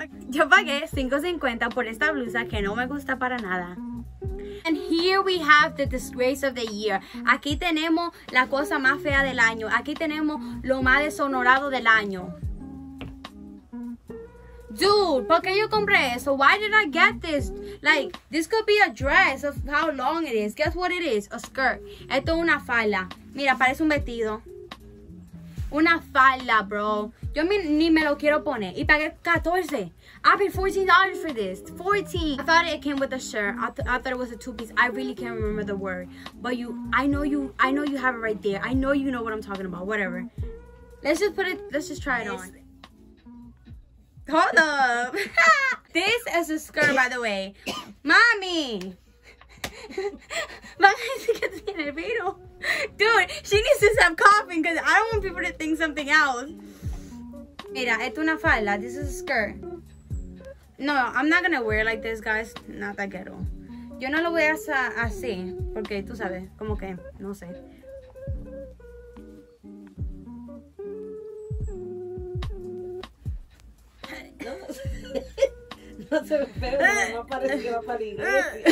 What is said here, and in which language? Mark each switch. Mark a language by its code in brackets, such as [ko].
[es] Yo pagué $5.50 por esta blusa que no me gusta para nada. [en] And here we have the disgrace of the year. [es] Aquí tenemos la cosa más fea del año. Aquí tenemos lo más deshonorado del año. [en] Dude, [es] ¿por qué yo compré eso? [en] Why did I get this? Like, this could be a dress of how long it is. Guess what it is? A skirt. [es] Esto es una falda. Mira, parece un vestido. Una falda, bro. Yo ni me lo quiero poner. Y pagué $14. [en] I paid $14 for this. $14. I thought it came with a shirt. I thought it was a two-piece. I really can't remember the word. But I know you have it right there. I know you know what I'm talking about. Whatever. Let's just try it on. Hold up. This is a skirt, by the way. Mommy. Dude, she needs to stop coughing because I don't want people to think something else. [es] Mira, esto una falda. [en] This is a skirt. No, I'm not gonna wear it like this, guys. Not that ghetto. [es] Yo no lo voy a hacer así porque tú sabes, como que no sé. No se ve feo, no parece que va para la iglesia.